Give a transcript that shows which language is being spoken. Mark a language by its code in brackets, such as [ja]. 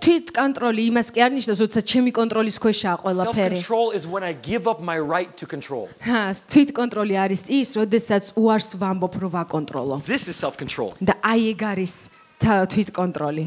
[ka] თვითკონტროლი იმას კი არნიშნავს, როცა ჩემი კონტროლის ქვეშაა ყველაფერი. [en] Self-control is when I give up my right to control. [ka] ჰა, თვითკონტროლი არის ის, როდესაც უარს ვამბობ, რომ ვაკონტროლო. [en] This is self-control. [ka] და აი ეგ არის თვითკონტროლი.